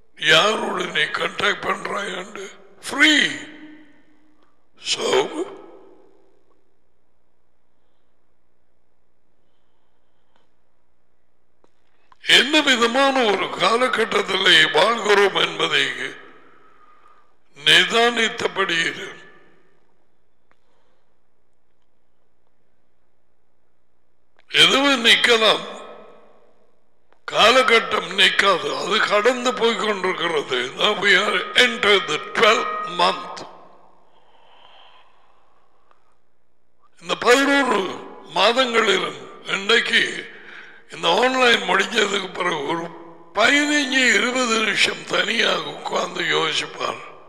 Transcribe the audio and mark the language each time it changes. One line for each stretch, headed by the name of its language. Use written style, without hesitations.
Tamil: யாரோடு நீ contact பண்றாய் free. So என்ன விதமான ஒரு காலகட்டத்தில் வாழ்கிறோம் என்பதை நிதானித்தபடி இரு. எதுவும் நிற்கலாம், காலகட்டம் நிற்காது, அது கடந்து போய்கொண்டிருக்கிறது.
English: Now we are entered the 12th month.
Tamil: இந்த 11 மாதங்களிலும் இன்னைக்கு இந்த ஆன்லைன் முடிஞ்சதுக்கு பிறகு ஒரு 15-20 நிமிஷம் தனியாக உட்கார்ந்து யோசிப்பார்.